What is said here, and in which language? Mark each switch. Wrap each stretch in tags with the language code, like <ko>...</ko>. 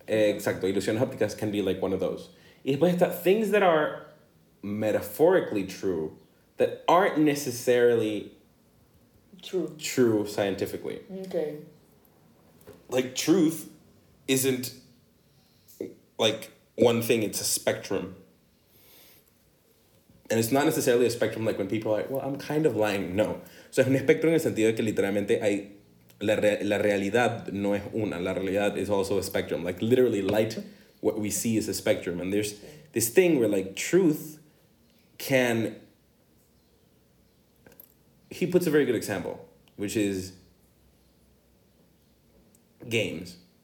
<es>Exacto. Ilusiones ópticas</es> <en>can be like one of those.</en> <es>Y después está</es> <en>things that are metaphorically true that aren't necessarily true scientifically. Okay. Like truth isn't like one thing. It's a spectrum. And it's not necessarily a spectrum like when people are like, well, I'm kind of lying. No.</en> <es>So es un espectro en el sentido de que literalmente hay la realidad no es una. La realidad</es> <en>is also a spectrum. Like literally light, what we see is a spectrum. And there's this thing where like truth can... He puts a very good example, which is games.</en>